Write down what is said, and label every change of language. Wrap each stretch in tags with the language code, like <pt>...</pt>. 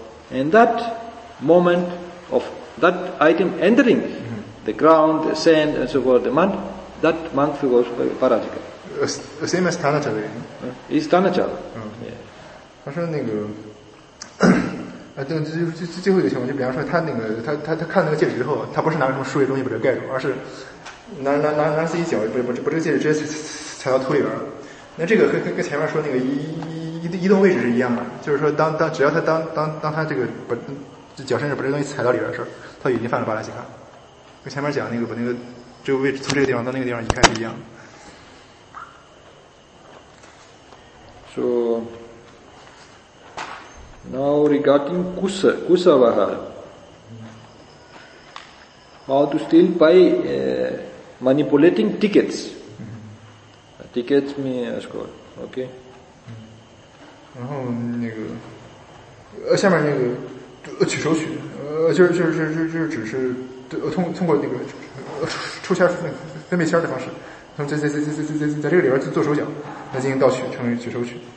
<en>And that moment of that item entering the ground, the sand, and so forth, the mud, that monk goes parajika. Same as Tanachala. It's Tanachala. He said,</en> <zh>最后一个情况，就比方说他看那个戒指之后，他不是拿什么树叶东西把这盖住，而是拿自己脚把这个戒指直接踩到土里边了。那这个跟前面说那个移动位置是一样的，就是说当只要他当他这个把这脚甚至把这东西踩到里边的时候，他已经犯了巴拉吉卡。跟前面讲那个把那个这个位置从这个地方到那个地方移开是一样的。</zh> <en>So now regarding kusavaha, how to steal by manipulating tickets. Tickets me as well, okay.</en> <zh>然后那个下面那个取手取，就是只是通过那个抽签分辨签的方式，从在这个里边做手脚来进行盗取，成为取手取。</zh>